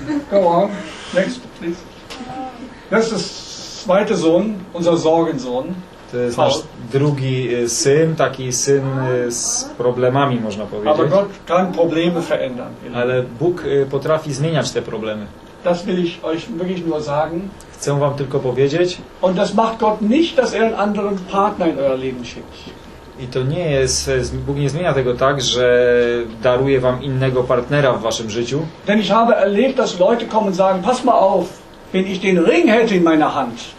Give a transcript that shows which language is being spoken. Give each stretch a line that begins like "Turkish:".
English: Go on. Next, please.
German: Das ist zweiter Sohn, unser Sorgensohn.
Polish: To jest nasz drugi syn, taki syn z problemami, można powiedzieć.
German: Aber Gott kann Probleme verändern.
Polish: Ale Bóg potrafi zmieniać te problemy.
German: Das will ich euch wirklich nur sagen.
Polish: Chcę wam tylko powiedzieć.
German: Und das macht Gott nicht, dass einen anderen Partner in euer Leben schickt.
Polish: I to nie jest, Bóg nie zmienia tego tak, że daruje wam innego partnera w waszym życiu.
German: Denn ich habe erlebt, dass Leute kommen und sagen, pass mal auf, wenn ich den Ring hätte in meiner Hand.